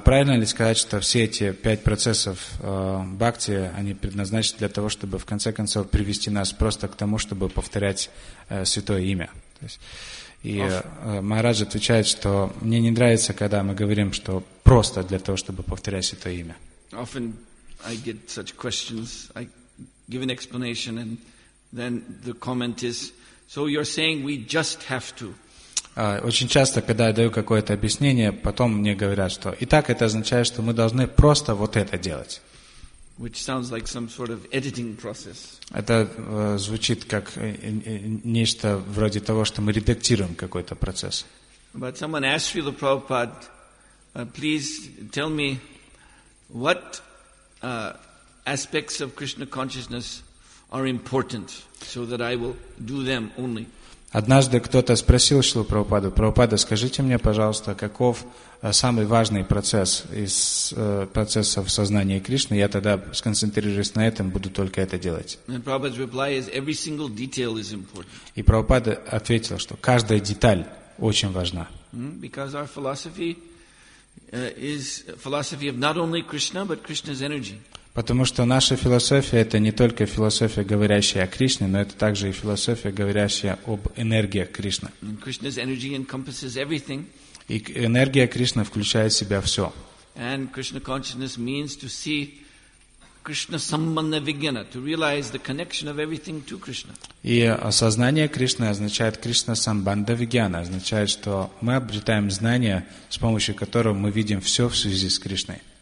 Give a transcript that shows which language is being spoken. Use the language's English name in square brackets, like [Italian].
[Russian] Правильно ли сказать, что все эти пять процессов бхакти, они предназначены для того, чтобы в конце концов привести нас просто к тому, чтобы повторять святое имя? То есть, и Махарадж отвечает, что мне не нравится, когда мы говорим, что просто для того, чтобы повторять святое имя. [English] Often I get such questions. I give an explanation, and then the comment is, "So you're saying we just have to?" [Russian] Очень часто, когда я даю какое-то объяснение, потом мне говорят, что итак, это означает, что мы должны просто вот это делать. [English] Which sounds like some sort of editing process. [Russian] Это звучит как нечто вроде того, что мы редактируем какой-то процесс. [English] But someone asked Srila Prabhupada, please tell me. What aspects of Krishna consciousness are important so that I will do them only? [Russian] Однажды кто-то спросил Шрилу Прабхупаду: "Прабхупада, скажите мне, пожалуйста, каков самый важный процесс из процессов сознания Кришны? Я тогда сконцентрируюсь на этом, буду только это делать." [English] And Prabhupada's reply is every single detail is important. [Russian] И Прабхупада ответил, что каждая деталь очень важна. [English] Because our philosophy is philosophy of not only Krishna but Krishna's energy. [Russian] Потому что наша философия это не только философия, говорящая о Кришне, но это также и философия, говорящая об энергии Кришны. [English] And Krishna's energy encompasses everything. [Russian] И энергия Кришны включает в себя все. [English] And Krishna consciousness means to see Krishna sambandha vigyana, to realize the connection of everything to Krishna. [Russian] И осознание Кришны означает Кришна самбандха вигьяна, означает, что мы обретаем знания, с помощью которого мы видим все в связи с Кришной.